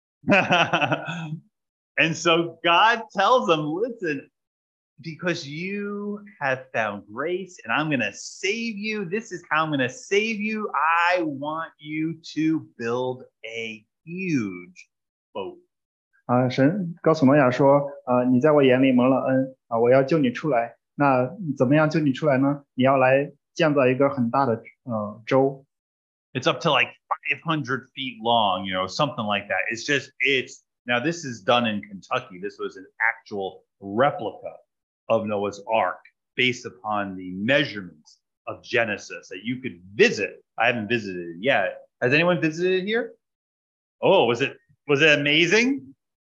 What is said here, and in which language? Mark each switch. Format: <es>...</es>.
<en>And so God tells them, listen, because you have found grace and I'm going to save you. This is how I'm going to save you. I want you to build a huge boat.</en> <zh>神告诉挪亚说, 你在我眼里蒙了恩, 我要救你出来。那怎么样救你出来呢?你要来建造一个很大的, 舟。</zh> <en>It's up to like 500 feet long, you know, something like that. It's just, it's, now this is done in Kentucky. This was an actual replica of Noah's Ark based upon the measurements of Genesis that you could visit. I haven't visited it yet. Has anyone visited here? Oh, was it amazing?</en>